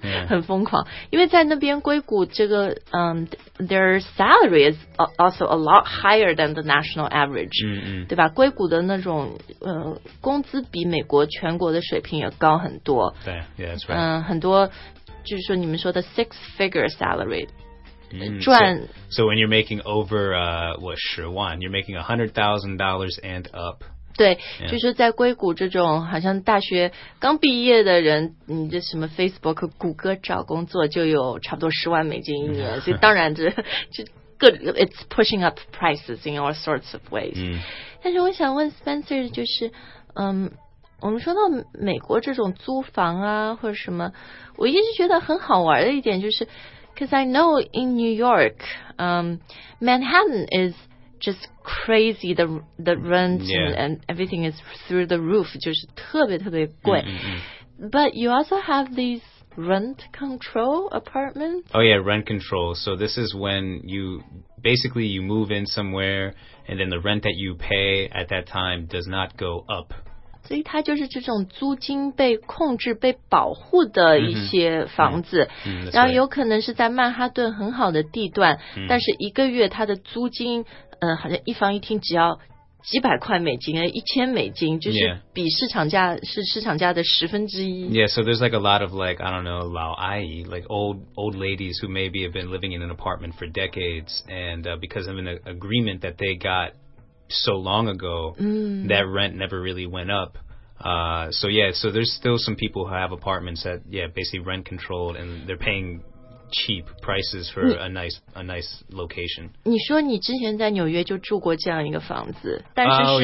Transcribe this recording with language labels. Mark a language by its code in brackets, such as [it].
[zh] 很疯狂，因为在那边硅谷这个 [en] their salary is also a lot higher than the national average. [zh] 对吧，硅谷的那种工资比美国全国的水平也高很多。 [en] 对 that's right. [zh] 很多就是说你们说的 [en] six figure salary. So when you're making over, 10万, you're making $100,000 and up. [zh] 对、yeah. 就是在硅谷这种好像大学刚毕业的人，你这什么 Facebook 谷歌找工作就有差不多$10,000一年、mm-hmm. 所以当然这 [en] it's pushing up prices in all sorts of ways、 mm-hmm. [zh] 但是我想问 Spencer 就是我们说到美国这种租房啊或者什么，我一直觉得很好玩的一点就是 [en] because I know in New York Manhattan is just crazy, the rent、 yeah. and everything is through the roof, [zh] 就是特别特别贵、 mm-hmm. [en] But you also have these rent control apartments? Oh yeah, rent control. So this is when you, basically you move in somewhere and then the rent that you pay at that time does not go up. [zh] 所以它就是这种租金被控制、被保护的一些房子、 mm-hmm. Mm-hmm. Mm-hmm. 然后有可能是在曼哈顿很好的地段、 mm-hmm. 但是一个月它的租金好像一房一厅只要几百块美金，$1,000，就是比市场价、 yeah. 是市场价的十分之一。 [en] Yeah, so there's like a lot of like, I don't know, [zh] 老阿姨, [en] like old ladies who maybe have been living in an apartment for decades, and because of an agreement that they got so long ago,、that rent never really went up. So there's still some people who have apartments that, basically rent controlled, and they're paying... cheap prices for a nice location. [zh] 你说你之前在纽约就住过这样一个房子，但是